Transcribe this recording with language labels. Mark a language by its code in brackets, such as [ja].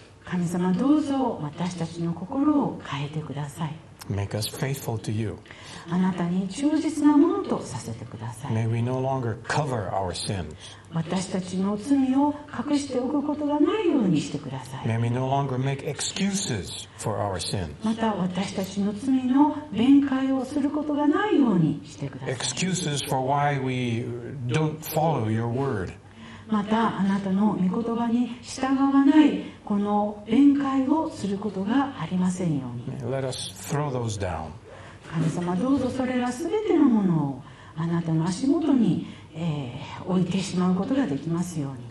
[ja] 神様、どうぞ私たちの心を変えてください。 [en] Make us faithful to you. [ja] あなたに忠実なものとさせてください。 [en] May we no longer cover our sins. [ja] 私たちの罪を隠しておくことがないようにしてください。 [en] May we no longer make excuses for our sins. [ja] また私たちの罪の弁解をすることがないようにしてください。 [en] Excuses for why we don't follow your word. [ja] またあなたの御言葉に従わないこの弁解をすることがありませんように。 [en] Let us throw those down. [ja] 神様、どうぞそれらすべてのものをあなたの足元に置いてしまうことができますように。